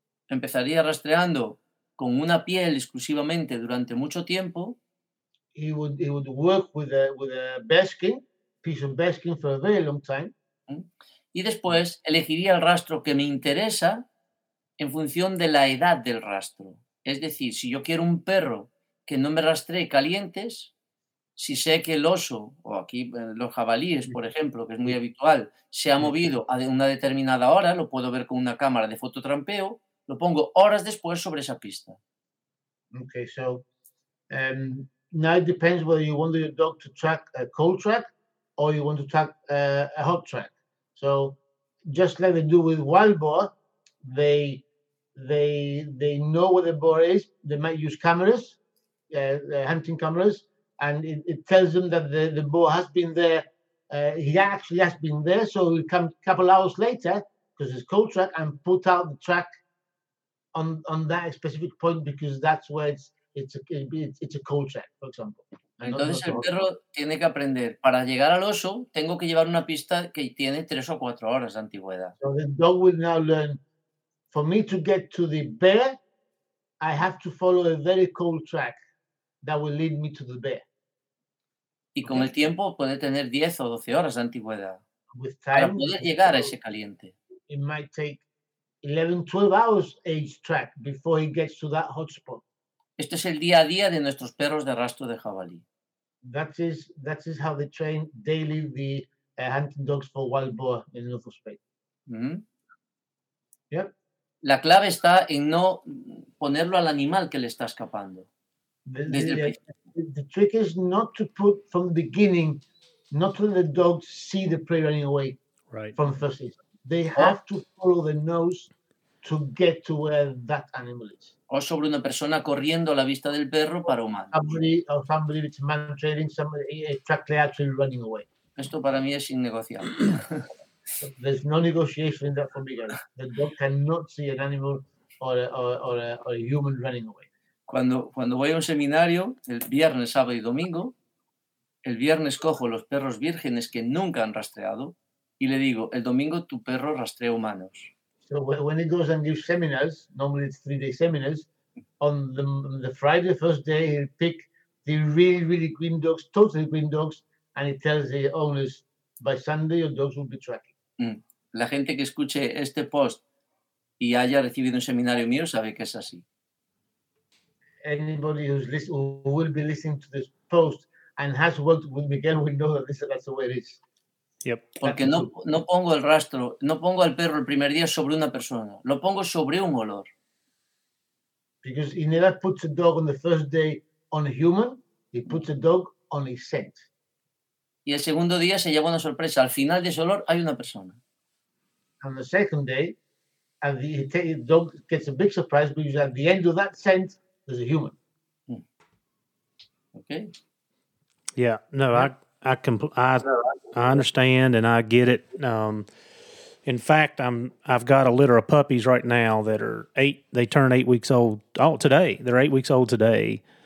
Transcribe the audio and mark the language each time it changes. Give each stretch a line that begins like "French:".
Spanish: empezaría rastreando con una piel exclusivamente durante mucho tiempo.
English: He would work with a bear skin, piece of bear skin for a very long time.
Spanish: Y después elegiría el rastro que me interesa en función de la edad del rastro. Es decir, si yo quiero un perro que no me rastree calientes, si sé que el oso, o aquí los jabalíes, por ejemplo, que es muy habitual, se ha movido a una determinada hora, lo puedo ver con una cámara de fototrampeo, lo pongo horas después sobre esa pista.
English: Okay, so now it depends whether you want your dog to track a cold track or you want to track a hot track. So just like they do with wild boar, they know where the boar is. They might use cameras, hunting cameras, and it tells them that the boar has been there. He actually has been there, so he'll come a couple hours later because it's cold track and put out the track on that specific point because that's where it's a cold track, for example.
Spanish: Entonces el perro tiene que aprender. Para llegar al oso, tengo que llevar una pista que tiene 3 o 4 horas de antigüedad.
English: So the dog will now learn, for me to get to the bear, I have to follow a very cold track that will lead me to the bear.
Spanish: Y con el tiempo puede tener 10 o 12 horas de antigüedad.
English: With time,
Spanish: para poder llegar a ese caliente.
English: It might take 11, 12 hours age track before he gets to that hotspot.
Spanish: Este es el día a día de nuestros perros de rastro de jabalí.
English: That is how they train daily the hunting dogs for wild boar in North Spain. Yep.
Spanish: La clave está en no ponerlo al animal que le está escapando.
English: The trick is not to put from the beginning, not to let the dogs see the prey running away from the first season. They have to follow the nose to get to where that animal is.
Spanish: O sobre una persona corriendo a la vista del perro para humanos.
English: Somebody with man trailing, somebody a track actually running away.
Spanish: Esto para mí es innegociable.
English: There's no negotiation in that for me. The dog cannot see an animal or a human running away.
Spanish: Cuando voy a un seminario, el viernes, sábado y domingo, el viernes cojo los perros vírgenes que nunca han rastreado y le digo, el domingo tu perro rastrea humanos.
English: So when he goes and gives seminars, normally it's 3-day seminars, on the Friday, first day, he'll pick the really, really green dogs, totally green dogs, and he tells the owners, by Sunday your dogs will be tracking.
Spanish: La gente que escuche este post y haya recibido un seminario mío sabe que es así.
English: Anybody who will be listening to this post and has worked with Miguel will know that that's the way it is. Yep.
Spanish: Porque no pongo el rastro, no pongo al perro el primer día sobre una persona, lo pongo sobre un olor.
English: Because he never puts a dog on the first day on a human, he puts a dog on a scent.
Spanish: Y el segundo día se lleva una sorpresa, al final de ese olor hay una persona.
English: On the second day, and the dog gets a big surprise because at the end of that scent, there's a human. Okay. Yeah, no, I understand and I get it. In fact, I've got a litter of puppies right now that are they're 8 weeks old today.